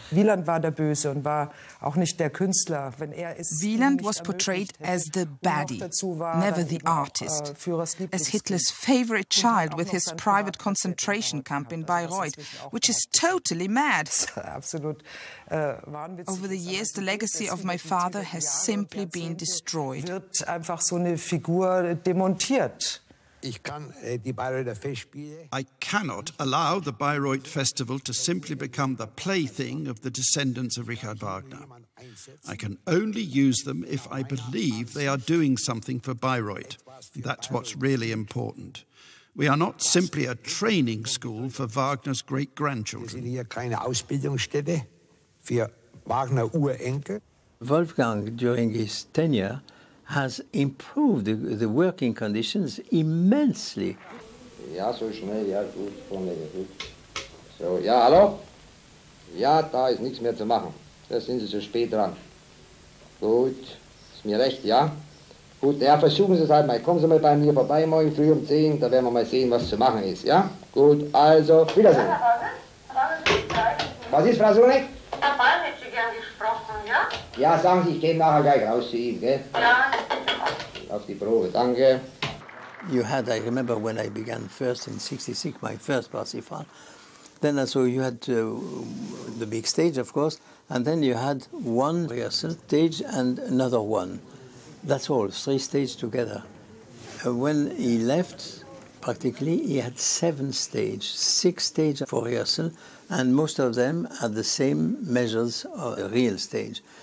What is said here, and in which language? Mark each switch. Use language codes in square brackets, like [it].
[de] Wieland war der Böse und war auch nicht der Künstler. [en] Wieland was portrayed as the baddie, never the artist, as Hitler's favorite child with his private concentration camp in Bayreuth, which is totally mad. Over the years, the legacy of my father has simply been destroyed. [de] Wird einfach so eine Figur demontiert. [en] I cannot allow the Bayreuth Festival to simply become the plaything of the descendants of Richard Wagner. I can only use them if I believe they are doing something for Bayreuth. That's what's really important. We are not simply a training school for Wagner's great-grandchildren. Wolfgang, during his tenure, has improved the working conditions immensely. [de] Ja, so schnell, ja, gut, vorne, ja, gut. So, ja, hallo? Ja, da ist nichts mehr zu machen. Da sind Sie zu spät dran. Gut, ist mir recht, ja? Gut, ja, versuchen Sie es halt mal. Kommen Sie mal bei mir vorbei morgen früh um 10, da werden wir mal sehen, was zu machen ist, ja? Gut, also, Wiedersehen. Ja, was ist, Frau Sonne? Ja, sagen Sie, ich gehe nachher gleich raus zu ihm, gell? Ja. Auf die Probe, danke. [en] You had, I remember when I began first in 66, my first Parsifal. Then so you had the big stage, of course, and then you had one rehearsal stage and another one. That's all, three stages together. When he left, practically, he had seven stages, six stages for rehearsal, and most of them had the same measures of the real stage.